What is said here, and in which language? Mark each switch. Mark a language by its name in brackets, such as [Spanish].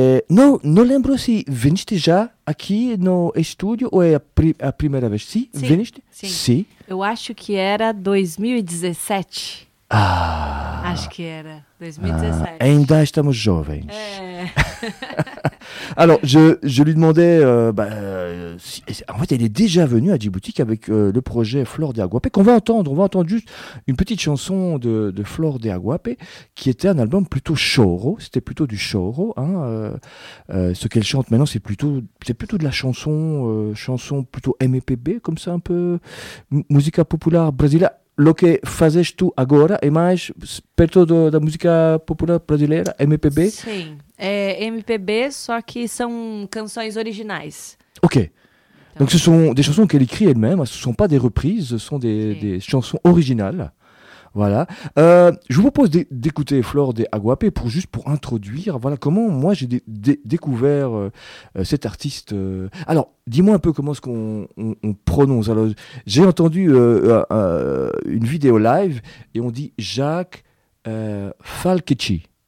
[Portuguese] Não lembro se veniste já aqui no estúdio ou é a primeira vez. Sim, sim. Veniste? Sim. Eu acho que era 2017. Ah. Acho que era 2017. Ah, ainda estamos jovens. É. [French] Alors, je lui demandais, en fait, elle est déjà venue à Djibouti avec le projet Flor de Aguapé, qu'on va entendre. On va entendre juste une petite chanson de Flor de Aguapé, qui était un album plutôt choro. C'était plutôt du choro. Hein, ce qu'elle chante maintenant, c'est plutôt de la chanson, chanson plutôt MPB, comme ça, un peu musica popular brésilienne. [Portuguese] Lo que fazes tu agora é mais perto da música popular brasileira, MPB? Sim, é MPB, só que são canções originais. Ok. [French] Então, ce sont des chansons qu'elle écrit elle-même, ce ne sont pas des reprises, ce sont des chansons originales. Voilà. Je vous propose d'écouter Flor de Aguapé pour introduire. Voilà comment moi j'ai découvert cet artiste. Alors, dis-moi un peu comment est-ce qu'on prononce. Alors, j'ai entendu une vidéo live et on dit Jacques Falchetti.